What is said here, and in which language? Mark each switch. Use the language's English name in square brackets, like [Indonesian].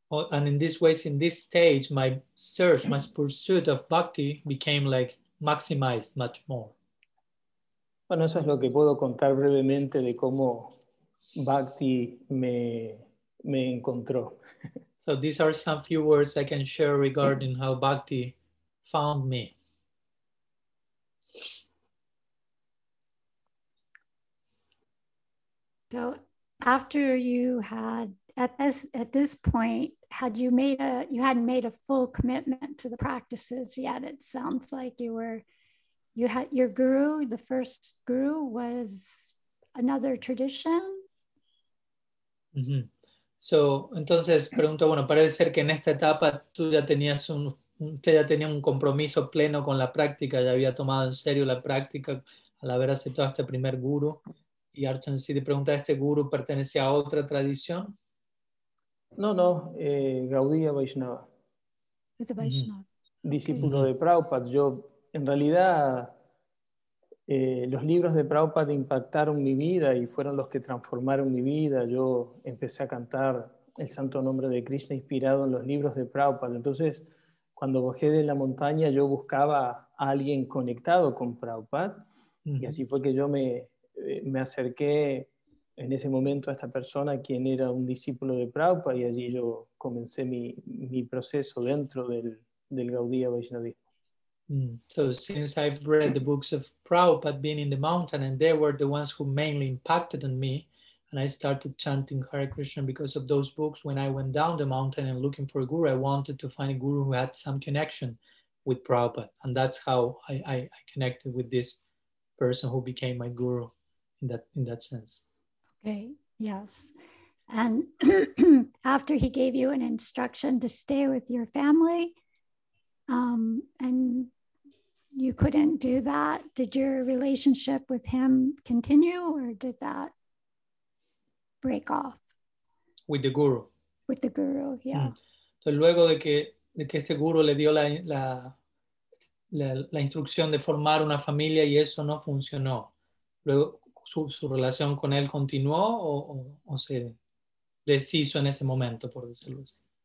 [English] And in this way, in this stage, my search, my pursuit of bhakti became like maximized much more. [Spanish] Bueno, eso es lo que puedo contar brevemente de cómo bhakti me encontró. [English] So these are some few words I can share regarding how bhakti found me. So after you had, at this point, you hadn't made a full commitment to the practices yet. It sounds like you had your guru, the first guru was another tradition. Mm-hmm. [Spanish] So, entonces pregunto, bueno, parece ser que en esta etapa tú ya tenías un compromiso pleno con la práctica, ya había tomado en serio la práctica al haber aceptado este primer guru. Y Archan Siddhi pregunta, ¿este guru pertenece a otra tradición? No, Gaudiya Vaishnava. Es a Vaishnava. Discípulo de Prabhupada. Yo, en realidad, los libros de Prabhupada impactaron mi vida y fueron los que transformaron mi vida. Yo empecé a cantar el santo nombre de Krishna inspirado en los libros de Prabhupada. Entonces, cuando bajé de la montaña, yo buscaba a alguien conectado con Prabhupada. Uh-huh. Y así fue que yo me acerqué en ese momento a esta persona, quien era un discípulo de Prabhupada, y allí yo comencé mi proceso dentro del Gaudiya Vaishnavismo. [English] So since I've read the books of Prabhupada being in the mountain, and they were the ones who mainly impacted on me, and I started chanting Hare Krishna because of those books, when I went down the mountain and looking for a guru, I wanted to find a guru who had some connection with Prabhupada. And that's how I connected with this person who became my guru in that sense. Okay, yes. And after he gave you an instruction to stay with your family, and you couldn't do that, did your relationship with him continue or did that break off? With the guru. With the guru, yeah. Mm. [Spanish] Entonces, luego de que este guru le dio la instrucción de formar una familia y eso no funcionó, luego su relación con él continuó o se deshizo en ese momento, por decirlo así.